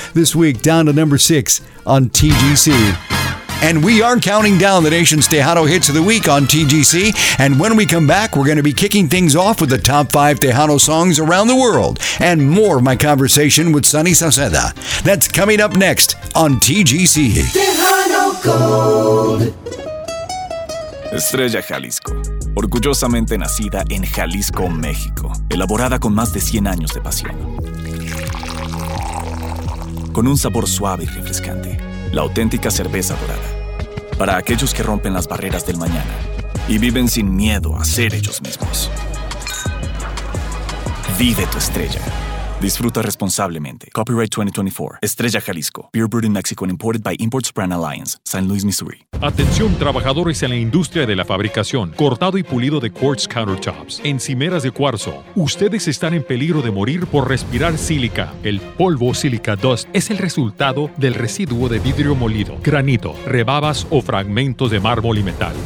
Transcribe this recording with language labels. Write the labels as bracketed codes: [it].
[en] This week down to number 6 on TGC. And we are counting down the nation's Tejano hits of the week on TGC. And when we come back, we're going to be kicking things off with the top 5 Tejano songs around the world. And more of my conversation with Sonny Sauceda. That's coming up next on TGC. Tejano Gold. [es] Estrella Jalisco, orgullosamente nacida en Jalisco, México, elaborada con más de 100 años de pasión. Con un sabor suave y refrescante, la auténtica cerveza dorada. Para aquellos que rompen las barreras del mañana y viven sin miedo a ser ellos mismos. Vive tu estrella. Disfruta responsablemente. Copyright 2024. Estrella Jalisco. [en] Beer brewed in Mexico and imported by Imports Brand Alliance. San Luis, Missouri. [es] Atención, trabajadores en la industria de la fabricación, cortado y pulido de [en] quartz countertops, [es] encimeras de cuarzo. Ustedes están en peligro de morir por respirar sílica. El polvo sílica dust es el resultado del residuo de vidrio molido, granito, rebabas o fragmentos de mármol y metal.